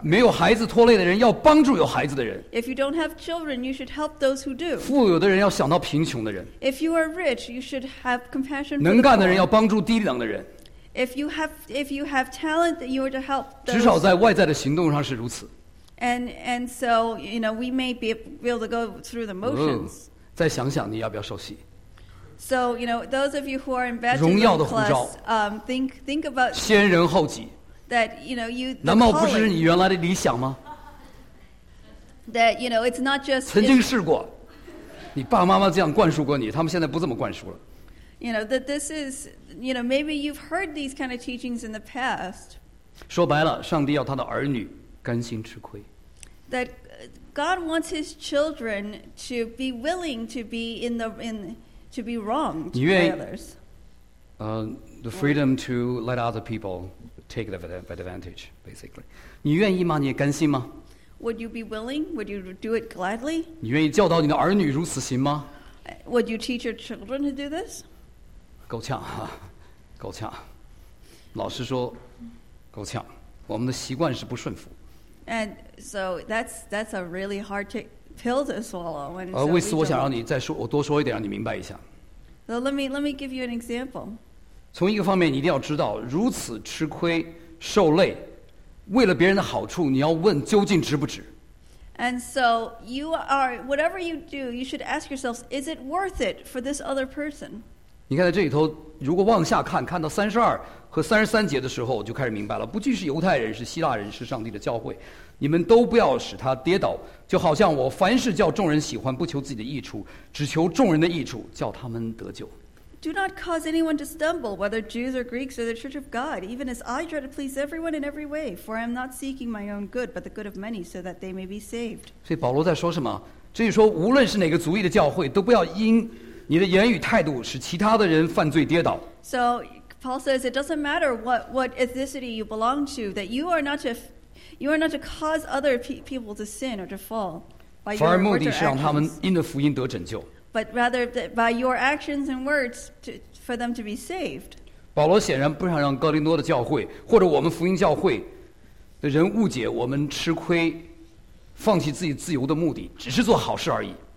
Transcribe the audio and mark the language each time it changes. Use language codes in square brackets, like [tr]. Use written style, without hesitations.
[zh] 没有孩子拖累的人要帮助有孩子的人。 [en] If you don't have children, you should help those who do. [zh] 富有的人要想到贫穷的人。 [en] If you are rich, you should have compassion for [zh] 能干的人要帮助低等的人。 [en] If you have talent, you are to help those. [zh] 至少在外在的行动上是如此。 [en] And so, you know, we may be able to go through the motions. [zh] 再想想你要不要受洗。 [en] So, you know, those of you who are invested in the class, think about [zh] 先人后己 [en] that, you know, you, [zh] 难道不是你原来的理想吗？ [en] That, you know, it's not just [zh] 曾经试过，你爸妈妈这样灌输过你，他们现在不这么灌输了。 [en] You know, that this is, you know, maybe you've heard these kind of teachings in the past. [zh] 说白了，上帝要他的儿女甘心吃亏。 [en] That God wants his children to be willing to be to be wronged by others. The freedom to let other people take the advantage, basically. [zh] 你愿意吗？你也甘心吗？ [en] Would you be willing? Would you do it gladly? [zh] 你愿意教导你的儿女如此行吗？ [en] Would you teach your children to do this? [zh] 够呛啊，够呛。老实说，够呛。我们的习惯是不顺服。 [en] And so that's a really hard to pill to swallow. [zh] 为此，我想让你再说，我多说一点，让你明白一下。 [en] So let me give you an example. [zh] 从一个方面，你一定要知道，如此吃亏受累，为了别人的好处，你要问究竟值不值。 [en] And so you are whatever you do, you should ask yourselves, is it worth it for this other person? [zh] 你看在这里头，如果往下看，看到三十二和三十三节的时候，我就开始明白了，不仅是犹太人，是希腊人，是上帝的教会。你们都不要使他跌倒，就好像我凡事叫众人喜欢，不求自己的益处，只求众人的益处，叫他们得救。 [en] Do not cause anyone to stumble, whether Jews or Greeks or the church of God, even as I try to please everyone in every way, for I am not seeking my own good, but the good of many, so that they may be saved. [zh] 所以保罗在说什么？这就说，无论是哪个族裔的教会，都不要因你的言语态度使其他的人犯罪跌倒。 [en] So Paul says it doesn't matter what ethnicity you belong to, that you are not to cause other people to sin or to fall by your words or actions. [zh] 反而目的是让他们因着福音得拯救。 [en] But rather by your actions and words for them to be saved. [zh] 保罗显然不想让哥林多的教会或者我们福音教会的人误解我们吃亏、放弃自己自由的目的，只是做好事而已。